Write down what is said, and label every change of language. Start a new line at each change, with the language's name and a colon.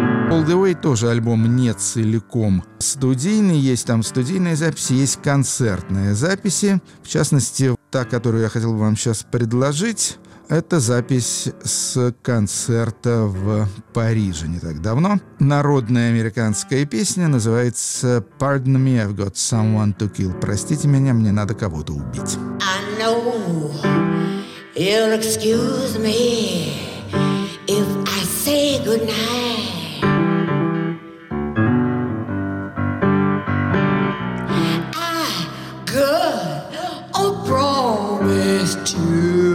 Russian: «All the Way» тоже альбом не целиком студийный. Есть там студийные записи, есть концертные записи. В частности, та, которую я хотел бы вам сейчас предложить, это запись с концерта в Париже не так давно. Народная американская песня называется «Pardon me, I've got someone to kill». «Простите меня, мне надо кого-то убить».
English: I know you'll excuse me if I say goodnight. I got a promise to